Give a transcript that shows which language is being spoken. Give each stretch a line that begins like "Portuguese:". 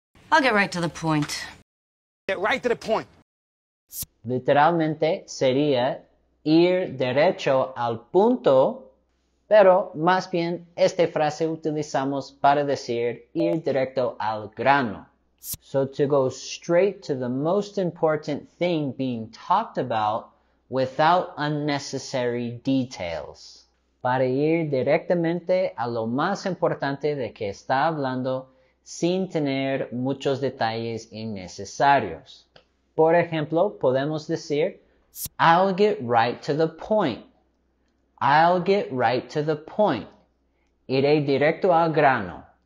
English: I'll get right to the point. Get right to the point.
Spanish: Literalmente sería ir derecho al punto, pero más bien esta frase utilizamos para decir ir directo al grano.
English: So to go straight to the most important thing being talked about without unnecessary details.
Spanish: Para ir directamente a lo más importante de que está hablando sin tener muchos detalles innecesarios. Por ejemplo, podemos decir,
English: I'll get right to the point. I'll get right to the point.
Spanish: Iré directo al grano.